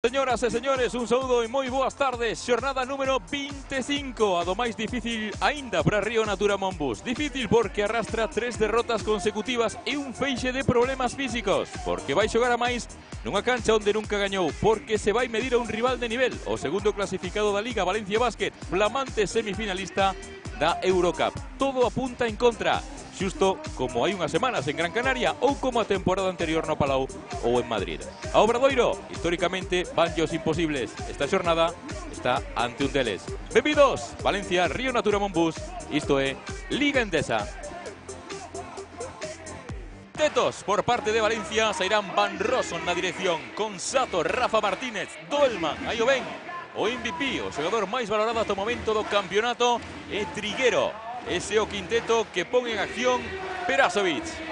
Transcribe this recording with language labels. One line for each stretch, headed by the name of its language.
Spanish: Señoras y señores, un saludo y muy buenas tardes.
Galician: Jornada número 25, a do máis difícil ainda para Río Natura Monbus. Difícil porque arrastra tres derrotas consecutivas e un feixe de problemas físicos. Porque vai xogar a máis nunha cancha onde nunca gañou. Porque se vai medir a un rival de nivel, o segundo clasificado da Liga Valencia Basket, flamante semifinalista da Eurocup. Todo apunta en contra, xusto como hai unhas semanas en Gran Canaria ou como a temporada anterior no Palau ou en Madrid. A Obradoiro, históricamente, banllos imposibles. Esta xornada está ante un deles. Benvidos, Valencia, Río Natura Monbus. Isto é Liga Endesa. Tetos por parte de Valencia, sairán Van Rosson na dirección, con Sato, Rafa Martínez, Dolman, aí o ben, o MVP, o xogador máis valorado ata o momento do campeonato, é Triguero. Ese o quinteto que pon en acción Perasovic.